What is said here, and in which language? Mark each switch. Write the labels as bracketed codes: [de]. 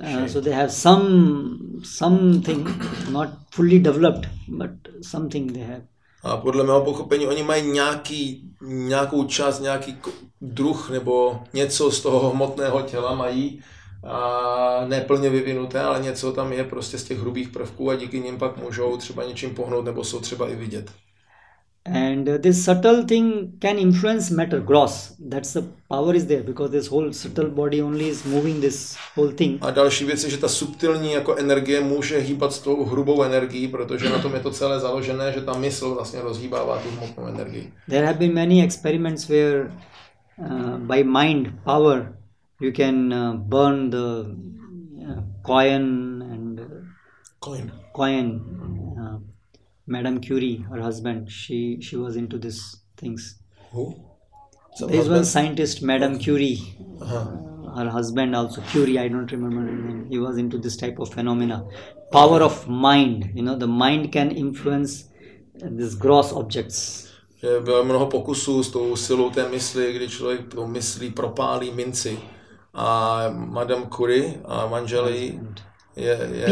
[en] so they have something not fully developed but something they have. [cs] A podle mého pochopení oni mají nějakou část, nějaký druh nebo něco z toho hmotného těla mají a neplně vyvinuté, ale něco tam je prostě z těch hrubých prvků a díky nim pak můžou třeba něčím pohnout nebo jsou třeba i vidět. [en] And this subtle thing can influence matter gross. That's the power is there because this whole subtle body only is moving this whole thing. [cs] A další věc je, že ta subtilní jako energie může hýbat s tou hrubou energií, protože na tom je to celé založené, že ta mysl vlastně rozhýbává tu hmotnou energii. [en] There have been many experiments where by mind power you can burn the coin and coin. Madame Curie, her husband, she was into these things. Who? There is one scientist, Madame Curie. Her husband also, Curie, I don't remember his name. He was into this type of phenomena. Power of mind, you know, the mind can influence these gross objects. [cs] Bylo mnoho pokusů s tou silou té mysli, kdy člověk tou myslí propálí minci. A Madame Curie a manžel jí je...